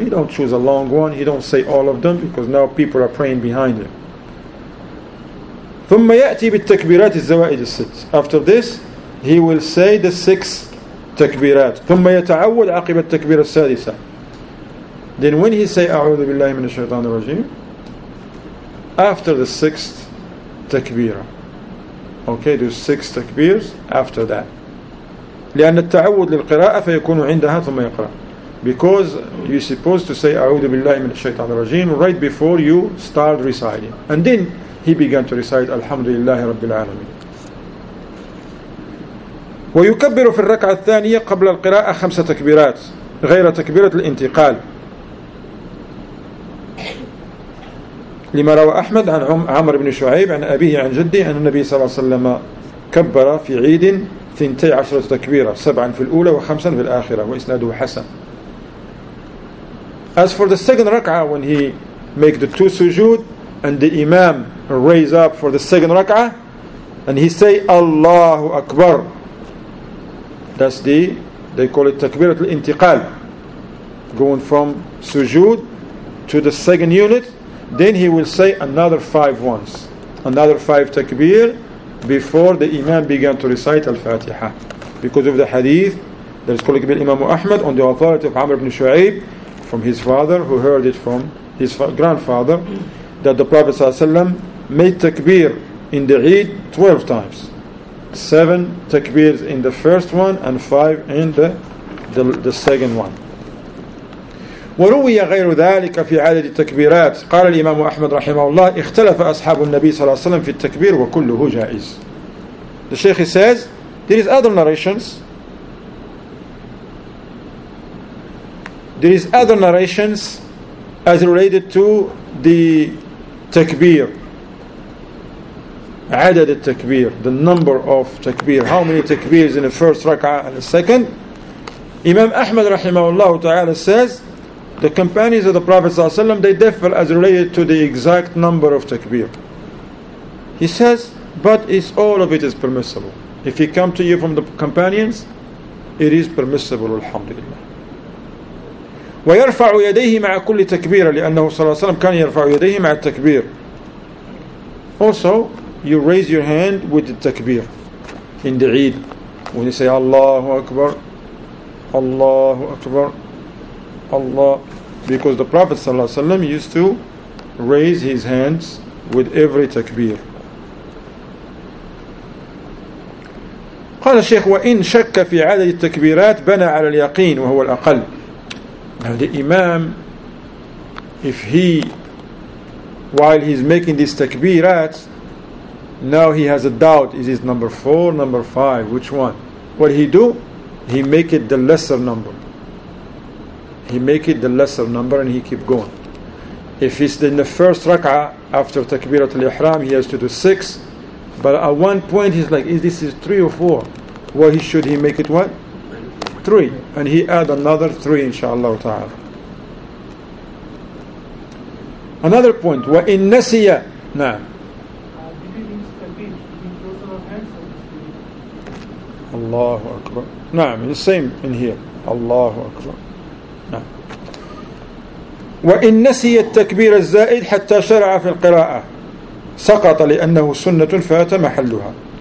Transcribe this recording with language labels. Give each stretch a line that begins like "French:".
English: He don't choose a long one. He don't say all of them because now people are praying behind him.
Arabic: ثم يأتي بالتكبيرات الزوائد الست.
English: After this, he will say the 6 takbirat.
Arabic: ثم يتعود عقب التكبير السادسة.
English: Then when he say
Arabic: أعوذ بالله من الشيطان الرجيم,
English: after the 6th
Arabic: التكبيرة.
English: Okay, there's six takbirs after that.
Arabic: لأن التعود للقراءة فيكون عندها ثم يقرأ.
English: Because you're supposed to say
Arabic: أعوذ بالله من الشيطان الرجيم
English: right before you start reciting. And then he began to recite
Arabic: الحمد لله رب العالمين. ويكبر في الركعة الثانية قبل القراءة خمسة تكبيرات غير تكبيرة الانتقال لما روى أحمد عن عمر بن شعيب عن أبيه عن جدي عن النبي صلى الله عليه وسلم كبر في عيد 12 تكبيرة سبعا في الأولى وخمسا في الآخرة وإسناده حسن.
English: As for the second ركعة when he make the two sujood and the imam raise up for the second ركعة and he say الله أكبر, that's the they call it تكبيرة الانتقال going from sujood to the second unit. Then he will say another five once, another five takbir before the imam began to recite al-Fatiha. Because of the hadith that is called Imam Ahmad on the authority of Amr ibn Shu'aib from his father, who heard it from his grandfather, that the Prophet ﷺ made takbir in the Eid 12 times. Seven takbirs in the first one and five in the second one.
Arabic: وروي غير ذلك في عدد التكبيرات. قال الإمام أحمد رحمه الله اختلف أصحاب النبي صلى الله عليه وسلم في التكبير وكله جائز.
English: The Sheikh says there is other narrations. There is other narrations as related to the takbir. عدد التكبير, the number of takbir, how many takbirs in the first rak'ah and the second. Imam Ahmad رحمه الله تعالى says the companions of the Prophet ﷺ, they differ as related to the exact number of takbir. He says, but it's all of it is permissible. If he come to you from the companions, it is permissible, alhamdulillah.
Arabic: وَيَرْفَعُ يَدَيْهِ مَعَ كُلِّ تَكْبِيرًا لِأَنَّهُ صَلَى اللَّهُ عَلَيْهِ وَسَلَّمْ كَانِ يَرْفَعُ يَدَيْهِ مَعَ التَكْبِيرًا.
English: Also, you raise your hand with the takbir in the Eid. When you say, Allahu Akbar, Allahu Akbar, Allah, because the Prophet sallallahu alaihi wasallam used to raise his hands with every takbir.
Arabic: قال الشيخ وإن شك في عدد التكبيرات بنى على اليقين وهو الأقل.
English: Now the Imam, if he while he's making these takbirat, now he has a doubt: is it number four, number five, which one? What he do? He make it the lesser number. He make it the lesser number and he keep going. If it's in the first rak'ah after takbirat al-ihram, he has to do six. But at one point he's like, this is three or four. What he should he make it what? Three. And he add another three, inshallah ta'ala. Another point.
Arabic: وَإِن نَسِيَ نَعَمْ. Allahu Akbar.
English: نعم, the same in here.
Arabic: Allahu Akbar. وإن نسي التكبير الزائد حتى شرع في القراءة سقط لأنه سنة فات محلها.